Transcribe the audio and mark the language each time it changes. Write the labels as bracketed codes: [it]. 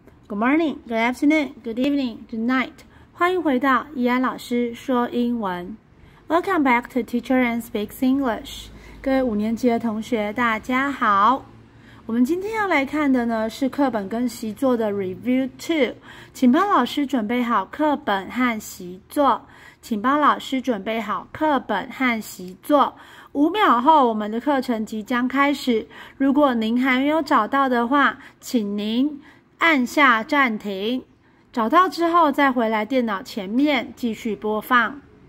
[en] Good morning, good afternoon, good evening, good night. [zh] 欢迎回到怡安老师说英文。 [en] Welcome back to Teacher and Speaks English. [zh] 各位五年级的同学，大家好。我们今天要来看的呢，是课本跟习作的 Review 2。请帮老师准备好课本和习作。请帮老师准备好课本和习作。五秒后我们的课程即将开始，如果您还没有找到的话，请您按下暂停，找到之后再回来电脑前面继续播放。